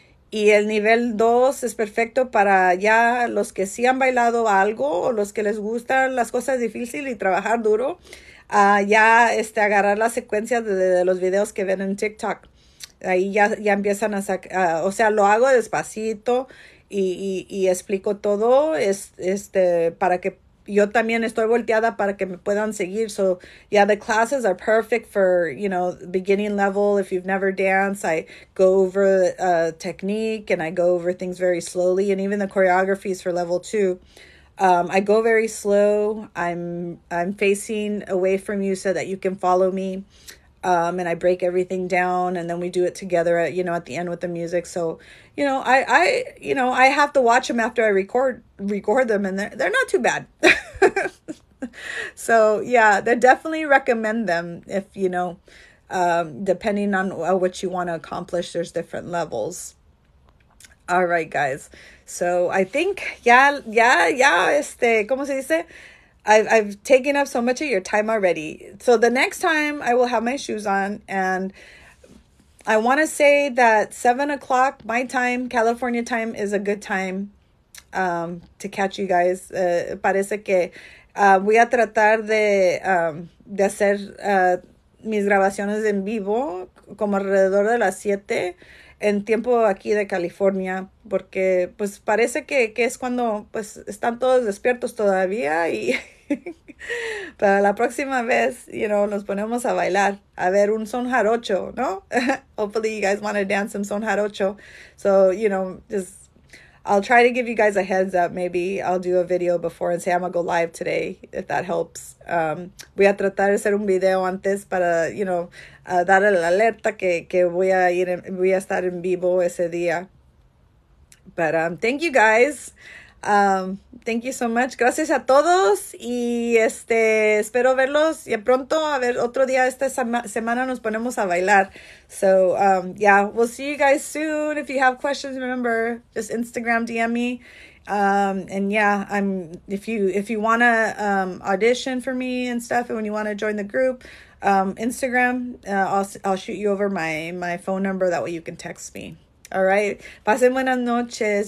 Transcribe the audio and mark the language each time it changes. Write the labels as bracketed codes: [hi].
[es] Y el nivel dos es perfecto para ya los que sí han bailado algo o los que les gustan las cosas difíciles y trabajar duro. Ya agarrar la secuencia de los videos que ven en TikTok. Ahí ya empiezan a sacar, o sea, lo hago despacito y explico todo para que yo también estoy volteada para que me puedan seguir. [en] So, yeah, the classes are perfect for, beginning level. If you've never danced, I go over technique and I go over things very slowly and even the choreographies for level two. I go very slow. I'm facing away from you so that you can follow me. And I break everything down and then we do it together at, at the end with the music. So, I have to watch them after I record them and they're not too bad. So, yeah, they definitely recommend them if, depending on what you want to accomplish, there's different levels. All right, guys. So I think, [es] ¿cómo se dice? [en] I've taken up so much of your time already. So the next time I will have my shoes on, and I want to say that 7 o'clock my time, California time, is a good time to catch you guys. [es] Parece que voy a tratar de hacer mis grabaciones en vivo como alrededor de las 7. En tiempo aquí de California, porque pues parece que es cuando pues están todos despiertos todavía y para la próxima vez, nos ponemos a bailar, a ver un son jarocho, ¿no? [en] Hopefully you guys want to dance some son jarocho. So, just I'll try to give you guys a heads up. Maybe I'll do a video before and say I'm gonna go live today, if that helps. [es] Voy a tratar de hacer un video antes para, dar la alerta que voy a estar en vivo ese día. [en] But thank you guys. Thank you so much. [es] Gracias a todos y espero verlos ya pronto. A ver, otro día esta semana nos ponemos a bailar. [en] So, yeah, we'll see you guys soon. If you have questions, remember, just Instagram DM me. And yeah, if you wanna audition for me and stuff, and when you wanna join the group, Instagram, I'll shoot you over my phone number. That way you can text me. All right. [es] Pasen buenas noches.